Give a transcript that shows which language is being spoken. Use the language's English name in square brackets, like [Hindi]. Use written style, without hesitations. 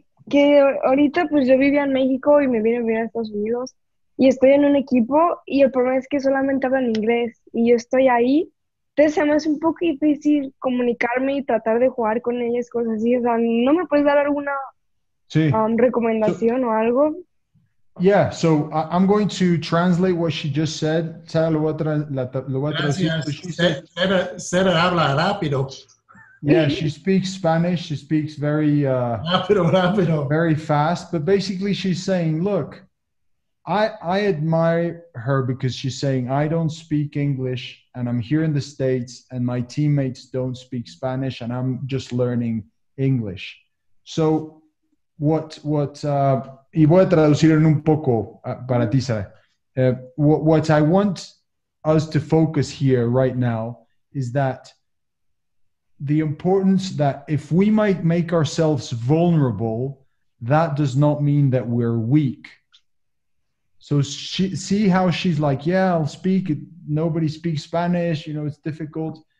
[Spanish] Que ahorita pues yo vivía en México y me vine a vivir a Estados Unidos y estoy en un equipo y el problema es que solamente hablan inglés y yo estoy ahí. Entonces, además, es un poco difícil comunicarme y tratar de jugar con ellas, cosas así. O sea, ¿no me puedes dar alguna recomendación o algo? [English] Yeah, so I'm going to translate what she just said. [Spanish] Sara, lo voy a traducir. Sara habla rápido. [English] Yeah, she speaks Spanish. She speaks very [Spanish] rápido, rápido. [English] Very fast. But basically, she's saying, look, I admire her because she's saying, I don't speak English and I'm here in the States and my teammates don't speak Spanish and I'm just learning English. [Spanish] So y voy a traducir en un poco para ti, Sara. [English] What I want us to focus here right now is that the importance that if we might make ourselves vulnerable, that does not mean that we're weak. So see how she's like, yeah, I'll speak. Nobody speaks Spanish. You know, it's difficult.